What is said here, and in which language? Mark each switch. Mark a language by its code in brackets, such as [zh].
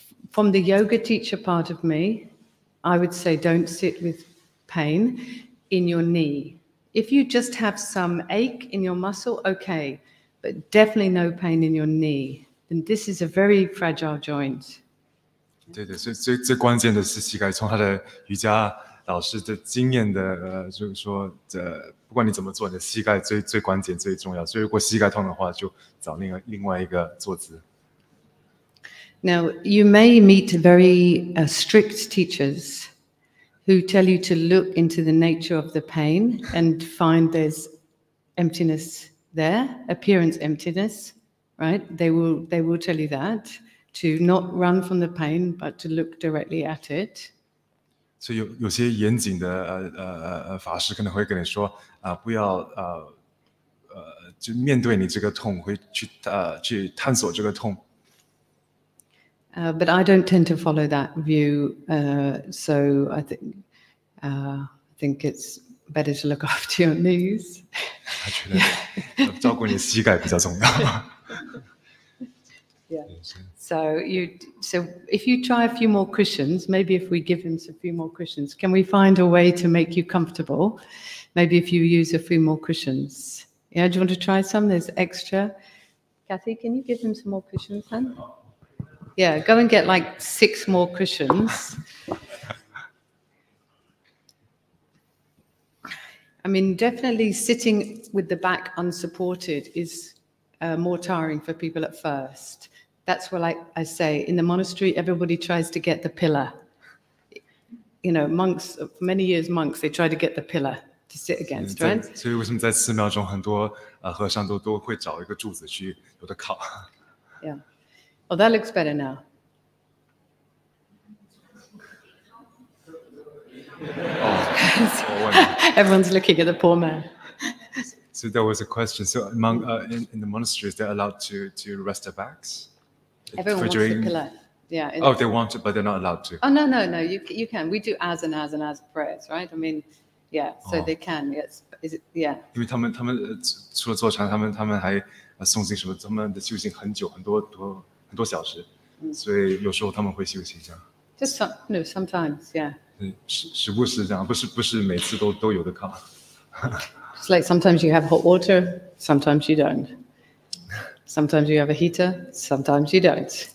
[en] From the yoga teacher part of me, I would say don't sit with pain in your knee. If you just have some ache in your muscle, okay, but definitely no pain in your knee. And this is a very fragile joint. [zh] 对的，所以最关键的是膝盖。从他的瑜伽老师的经验的，就是说，不管你怎么做，你的膝盖最关键、最重要。所以如果膝盖痛的话，就找另外一个坐姿。 [en] Now you may meet very strict teachers who tell you to look into the nature of the pain and find there's emptiness there, appearance emptiness, right? They will tell you that, to not run from the pain, but to look directly at it. [zh] So 有些严谨的法师可能会跟你说，不要就面对你这个痛，会去探索这个痛。 [en] But I don't tend to follow that view, so I think it's better to look after your knees. [zh] 他觉得照顾你膝盖比较重要。 [en] Yeah. So if you try a few more cushions, maybe if we give him a few more cushions, can we find a way to make you comfortable? Maybe if you use a few more cushions. Yeah, do you want to try some? There's extra. Kathy, can you give him some more cushions, then? Yeah, go and get like 6 more cushions. I mean, definitely sitting with the back unsupported is more tiring for people at first. That's what I say. In the monastery, everybody tries to get the pillar. You know, monks, for many years monks, they try to get the pillar to sit against, right? [zh] 所以为什么在寺庙中很多和尚都会找一个柱子去有的靠。 [en] Yeah. Oh, that looks better now. Everyone's looking at the poor man. So there was a question. So among in the monasteries, they're allowed to rest their backs. Everyone wants the pillar. Yeah. Oh, they want to, but they're not allowed to. Oh no. You can. We do asanas and as prayers, right? I mean, yeah. So they can. Yes. Is it? Yeah. Because they [zh] 除了坐禅，他们还诵经什么？他们的修行很久，很多小时，所以有时候他们会休息一下。 [en] Just some, no, sometimes, yeah. [zh] 时不时这样，不是每次都有的靠。 [en] It's like sometimes you have hot water, sometimes you don't. Sometimes you have a heater, sometimes you don't.